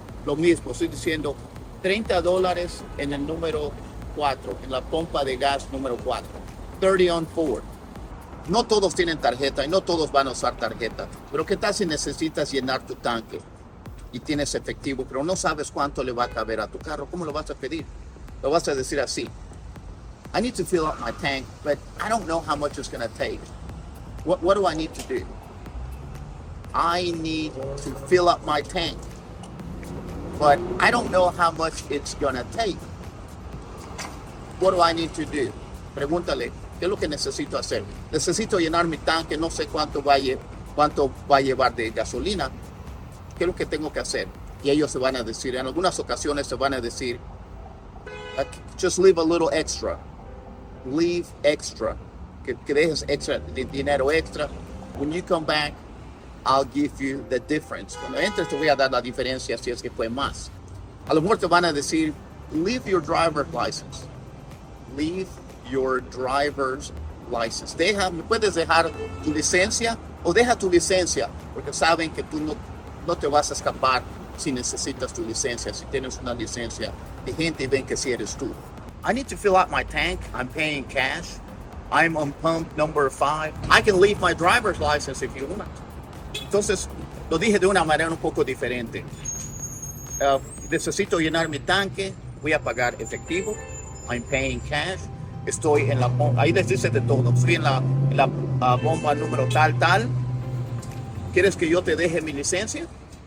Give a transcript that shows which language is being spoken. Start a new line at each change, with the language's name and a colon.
Spanish: Lo mismo, estoy diciendo $30 en el número 4, en la pompa de gas número 4.
English: 30 on 4.
Spanish: No todos tienen tarjeta y no todos van a usar tarjeta. Pero ¿qué tal si necesitas llenar tu tanque y tienes efectivo, pero no sabes cuánto le va a caber a tu carro? ¿Cómo lo vas a pedir? Lo vas a decir así.
English: I need to fill up my tank, but I don't know how much it's going to take. What do I need to do? I need to fill up my tank, but I don't know how much it's going to take. What do I need to do?
Spanish: Pregúntale, ¿qué es lo que necesito hacer? Necesito llenar mi tanque, no sé cuánto va a llevar de gasolina. ¿Qué es lo que tengo que hacer? Y ellos se van a decir, en algunas ocasiones se van a decir,
English: just leave a little extra. Leave extra,
Spanish: que dejes extra, dinero extra.
English: When you come back, I'll give you the difference.
Spanish: Cuando entres, te voy a dar la diferencia si es que fue más. A lo mejor te van a decir,
English: leave your driver's license. Leave your driver's license.
Spanish: Deja, ¿me puedes dejar tu licencia? O deja tu licencia, porque saben que tú no te vas a escapar si necesitas tu licencia, si tienes una licencia. Y gente ven que si sí eres tú.
English: I need to fill out my tank. I'm paying cash. I'm on pump number 5. I can leave my driver's license if you want.
Spanish: Entonces, lo dije de una manera un poco diferente. Necesito llenar mi tanque. Voy a pagar efectivo.
English: I'm paying cash.
Spanish: Estoy en la bomba. Ahí les dice de todo. Estoy en la bomba número tal. ¿Quieres que yo te deje mi licencia?